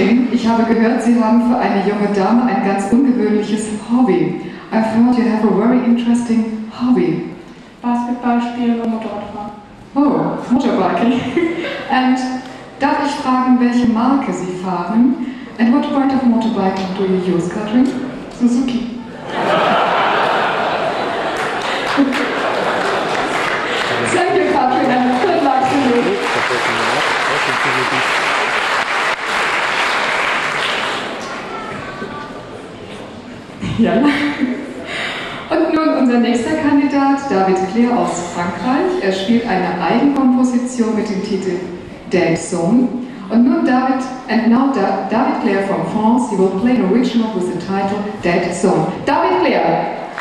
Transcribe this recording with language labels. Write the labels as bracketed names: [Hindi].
[German] Ich habe gehört, Sie haben für eine junge Dame ein ganz ungewöhnliches Hobby. [English] I've heard you have a very interesting hobby. [German] Basketball spielen und Motorradfahren. [English] Oh, Motorbiking. And [German] darf ich fragen, welche Marke Sie fahren? [English] And what kind of motorbike do you use, Katrin? Suzuki. Thank you, Katrin, and good luck to you. [German] Ja. Und nun unser nächster Kandidat, David Clair aus Frankreich. Er spielt eine Eigenkomposition mit dem Titel Dance Zone. Und nun David, [English] and now David Clair from France, he will play an original with the title Dead Zone. David Clair!